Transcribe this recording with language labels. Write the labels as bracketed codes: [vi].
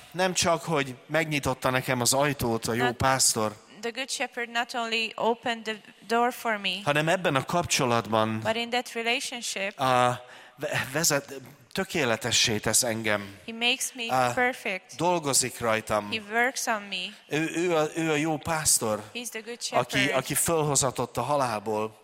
[hu] Nem csak, hogy megnyitotta nekem az ajtót a jó pásztor, [en] the good shepherd not only opened the door for me, [hu] hanem ebben a kapcsolatban, [en] but in that relationship, [hu] vezet, tökéletessé tesz engem. [en] He makes me perfect. [hu] Dolgozik rajtam. [en] He works on me. [hu] Ő a jó pásztor, [en] he's the good shepherd, [hu] aki fölhozatott a halálból,